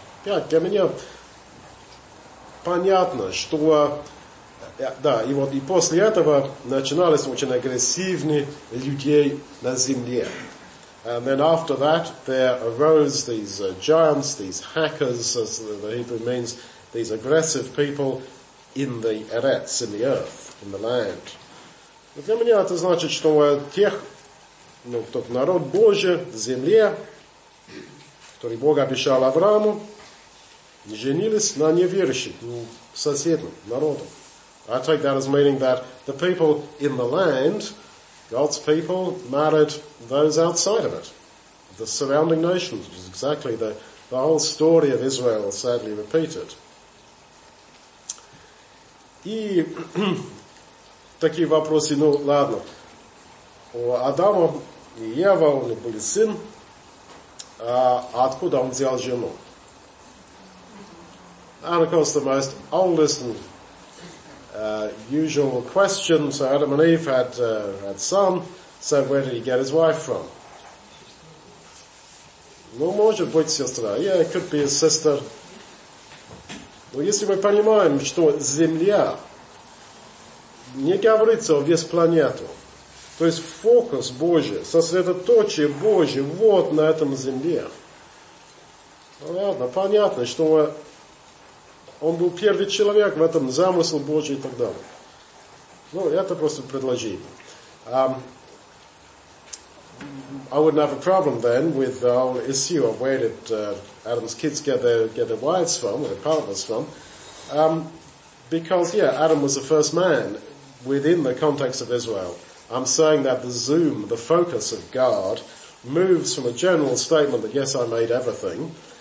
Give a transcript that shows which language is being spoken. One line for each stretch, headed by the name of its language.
Russian: Yeah, для меня понятно, что да, и вот и после этого начинались очень агрессивные людей на земле.
English: And then after that there arose these giants, these hackers, as the Hebrew means, these aggressive people in the Eretz, in the earth, in the land.
Russian: Но для меня это значит, что тех, ну, тот народ Божий в земле, который Бог обещал Аврааму, женились на неверующих, ну, соседям, народам.
English: I take that as meaning that the people in the land God's people mad at those outside of it, the surrounding nations, which is exactly the whole story of Israel sadly repeated.
Russian: И такие вопросы, ну ладно, у Адама и Ева, у них были сын, а откуда он взял жену?
English: And of course the most oldest and usual question, so Adam and Eve had had son, so where did he get his wife from?
Russian: Ну, может быть, сестра.
English: Yeah, it could be his sister.
Russian: Но если мы понимаем, что Земля не говорится о весь планету, то есть фокус Божий, сосредоточие Божие вот на этом Земле. Ну, ладно, понятно, что он был первый человек в этом замысле Божьем и так далее. Ну, это просто предложение.
English: I wouldn't have a problem then with the whole issue of where did Adam's kids get their wives from, or their partners from, because yeah, Adam was the first man within the context of Israel. I'm saying that the zoom, the focus of God, moves from a general statement that yes, I made everything.